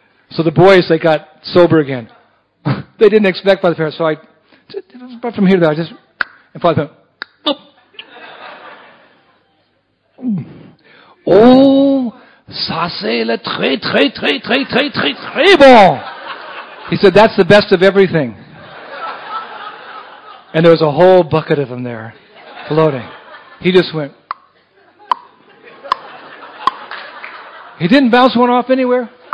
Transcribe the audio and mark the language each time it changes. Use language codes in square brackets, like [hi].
[en] So the boys, they got sober again. They didn't expect Father Pierre. So I said, "But from here to there, I just..." And Father Pierre... [fr] "Oh, ça c'est le très, très, très, très, très, très, très bon." [en] He said, "That's the best of everything." And there was a whole bucket of them there, floating. He just went... He didn't bounce one off anywhere.